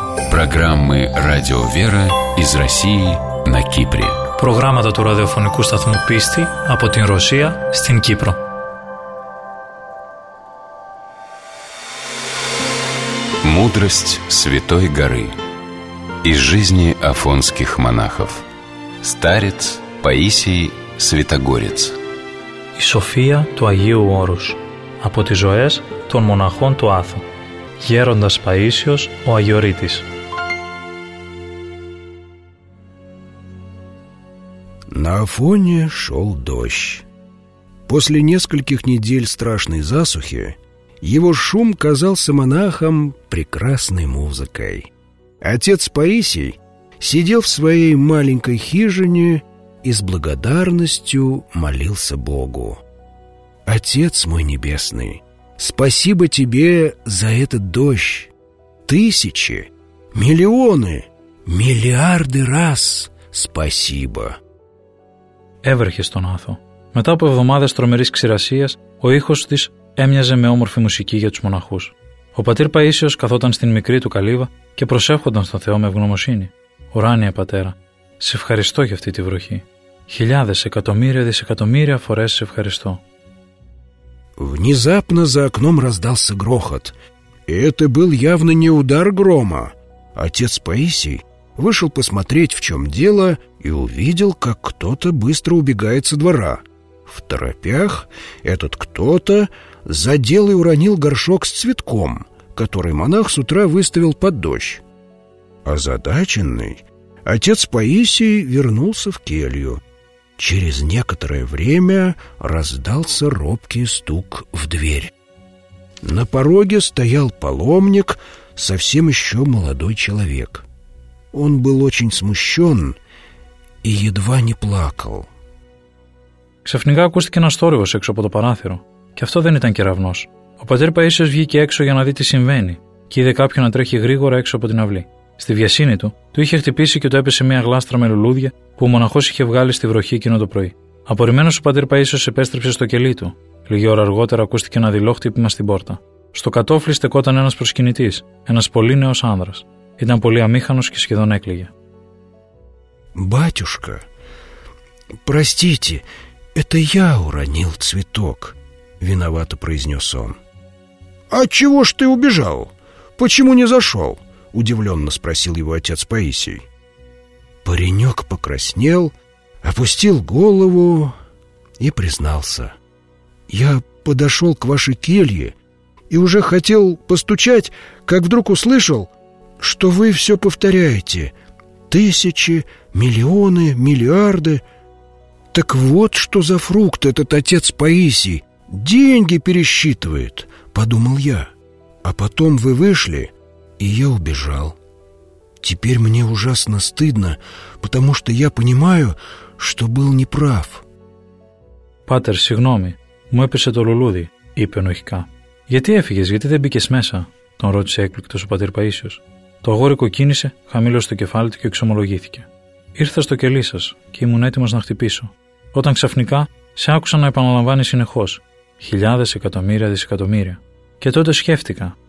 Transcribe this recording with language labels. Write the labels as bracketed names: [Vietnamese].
[Russian] Программы «Радио Вера» из России на Кипре. [Greek] Программа του ραδιοφωνικού σταθμού «Πίστη» από την Ρωσία στην Κύπρο. [Russian] Мудрость Святой Горы. Из жизни афонских монахов. Старец Паисий Святогорец. [Greek] И София του Αγίου Όρους. Από τις ζωές των μοναχών του Άθου. Γέροντας Παΐσιος ο Αγιορείτης. [Russian] На Афоне шел дождь. После нескольких недель страшной засухи его шум казался монахам прекрасной музыкой. Отец Паисий сидел в своей маленькой хижине и с благодарностью молился Богу. «Отец мой небесный, спасибо тебе за этот дождь! Тысячи, миллионы, миллиарды раз спасибо!» [Greek] Έβρεχε στον Άθο. Μετά από εβδομάδες τρομερής ξηρασίας, ο ήχος της έμοιαζε με όμορφη μουσική για τους μοναχούς. Ο πατήρ Παΐσιος καθόταν στην μικρή του καλύβα και προσεύχονταν στον Θεό με ευγνωμοσύνη. «Ουράνιε πατέρα, σε ευχαριστώ για αυτή τη βροχή. Χιλιάδες, εκατομμύρια, δισεκατομμύρια φορές σε ευχαριστώ». [Russian] Внезапно за окном раздался грохот. Это был явно не удар грома. Отец Паисий вышел посмотреть, в чем дело, и увидел, как кто-то быстро убегает со двора. В торопях этот кто-то задел и уронил горшок с цветком, который монах с утра выставил под дождь. Озадаченный, отец Паисий вернулся в келью. Через некоторое время раздался робкий стук в дверь. На пороге стоял паломник, совсем еще молодой человек. Он был очень смущен и едва не плакал. [Greek] Ξαφνικά ακούστηκε ένας θόρυβος έξω από το παράθυρο. Και αυτό δεν ήταν κεραυνός. Ο πατήρ Παΐσιος βγήκε έξω για να δει τι συμβαίνει και είδε κάποιον να τρέχει γρήγορα έξω από την αυλή. Στη βιασύνη του, του είχε χτυπήσει και του έπεσε μια γλάστρα με λουλούδια που ο μοναχός είχε βγάλει στη βροχή εκείνο το πρωί. Απορριμμένος, ο πατήρ Παΐσιος επέστρεψε στο κελί του. Λίγη ώρα αργότερα ακούστηκε ένα δειλό χτύπημα στην πόρτα. Στο κατώφλι στεκόταν ένας προσκυνητής, ένας πολύ νέος άνδρας. Ήταν πολύ αμήχανος και σχεδόν έκλαιγε. [Russian] «Батюшка, простите, это я уронил цветок», — виновато произнес он. «А чего ж ты убежал? Почему не зашел?» — удивленно спросил его отец Паисий. Паренек покраснел, опустил голову и признался. «Я подошел к вашей келье и уже хотел постучать, как вдруг услышал, что вы все повторяете. Тысячи, миллионы, миллиарды. Так вот что за фрукт этот отец Паисий. Деньги пересчитывает», — подумал я. «А потом вы вышли, и я убежал. Теперь мне ужасно стыдно, потому что я понимаю, что был неправ». [Greek] «Патер, сигноми, мы писали то лулуди», — είπε нухика. «Γιατί έφυγες, γιατί δεν μπήκες μέσα?» — τον ρώτησε έκπληκτος ο πατήρ Παΐσιος. Το αγόρι κοκκίνησε, χαμήλωσε το κεφάλι του και εξομολογήθηκε. «Ήρθα στο κελί σας και ήμουν έτοιμος να χτυπήσω. Όταν ξαφνικά σε άκουσα να επαναλαμβάνει συνεχώς. Χιλιάδες, εκατομμύρια, δισεκατομμύρια. Και τότε σκέφτηκα.